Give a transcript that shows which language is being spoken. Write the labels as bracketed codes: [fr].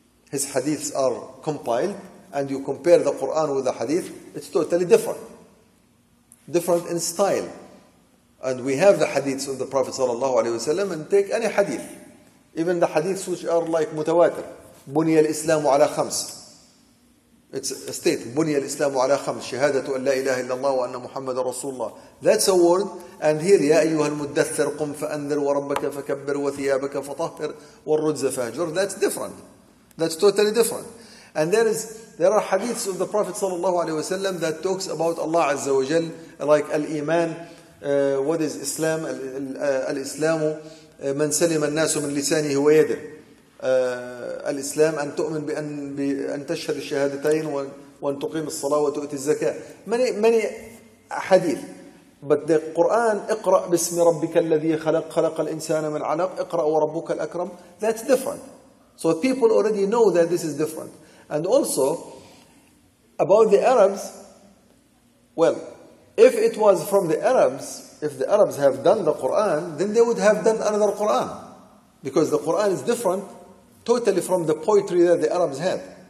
[en] His hadiths are compiled. And you compare the Quran with the hadith, it's totally different. Different in style. And we have the hadiths of the Prophet [ar] صلى الله عليه وسلم, [en] and take any hadith, even the hadiths which are like mutawatir. [ar] بني الإسلام على خمس. [en] It's a state. [ar] بني الإسلام على خمس. شهادة أن لا إله إلا الله وأن محمد رسول الله. [en] That's a word. And here, [ar] يا أيها المدثر قم فأنذر وربك فكبر وثيابك فطهر والرجز فهجر. [en] That's different. That's totally different. And there are hadiths of the Prophet [ar] صلى الله عليه وسلم [en] that talks about Allah عز وجل, like الإيمان. What is Islam? [ar] الإسلام من سلم الناس من لسانه ويده. الإسلام أن تؤمن بأن تشهد الشهادتين وأن تقيم الصلاة وتؤتي الزكاة. [en] Many حديث. But the Quran, [ar] اقرأ باسم ربك الذي خلق, خلق الإنسان من علق, اقرأ وربك الأكرم. [en] That's different. So people already know that this is different. And also about the Arabs, well, if it was from the Arabs, if the Arabs have done the Quran, then they would have done another Quran, because the Quran is different totally from the poetry that the Arabs had.